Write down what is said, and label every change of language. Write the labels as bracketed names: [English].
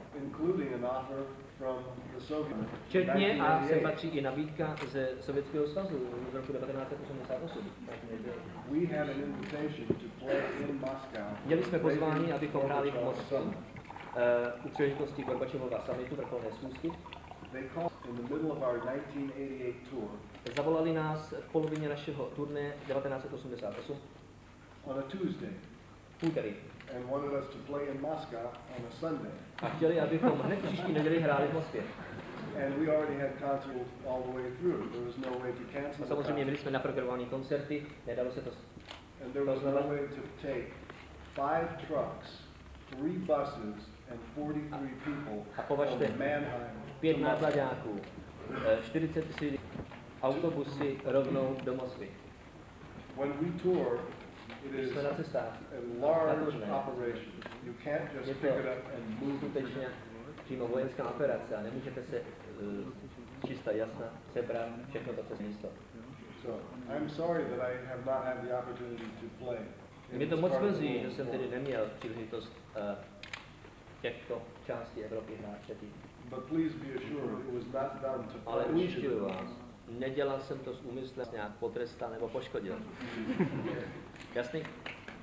[English] Including an offer from the Soviet. [Czech] Včetně a se patří i nabídka ze Sovětského svazu z roku 1988. [English] We have an invitation to play in Moscow. [Czech] Měli jsme pozvání, abychom hráli v Moskvě u příležitosti Gorbačova summitu, vrcholné schůzky. [English] They called in the middle of our 1988 tour. [Czech] Zavolali nás v polovině našeho turné 1988. [English] On a Tuesday. [Czech] Úterý. [English] And wanted us to play in Moscow on a Sunday. [Czech] A chtěli, abychom hned příští neděli hráli v Moskvě. [English] And we already had concerts all the way through. There was no way to cancel. [Czech] A samozřejmě měli jsme naprogramované koncerty, nedalo se to. [English] And there was no way to take 5 trucks, 3 buses and 43 people. [Czech] A považte, pět nákladňáků, 43 autobusy rovnou do Moskvy. [English] When we tour, it is a large operation. You can't just pick it up and move. [Czech] Skutečně přímo vojenská operace a nemůžete se čista jasna sebrat všechno to přes místo. [English] So, I'm sorry that I have not had the opportunity to play. [Czech] Mě to moc mrzí, že jsem tedy neměl příležitost těchto části Evropy hrát předtím. [English] But please be assured, it was not done to punish. [Czech] Ale ujišťuji vás, nedělal jsem to s úmyslem nějak potrestal nebo poškodil. Jasný?